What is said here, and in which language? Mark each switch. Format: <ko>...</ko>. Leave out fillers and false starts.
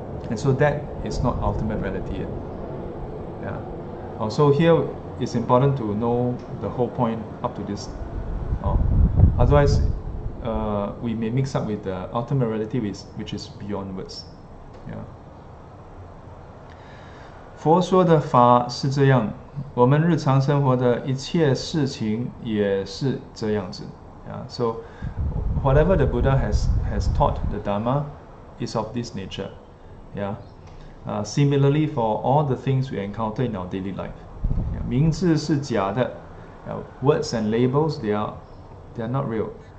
<en>And so that is not ultimate reality yet. So here it's important to know the whole point up to this. Otherwise, we may mix up with the ultimate reality which is beyond words.</en> <zh>佛说的法是这样，我们日常生活的一切事情也是这样子。</zh> <en>So whatever the Buddha has taught, the Dharma is of this nature. Similarly for all the things we encounter in our daily life.</en> <zh>名字是假的，</zh> <en>words and labels they are not real.</en>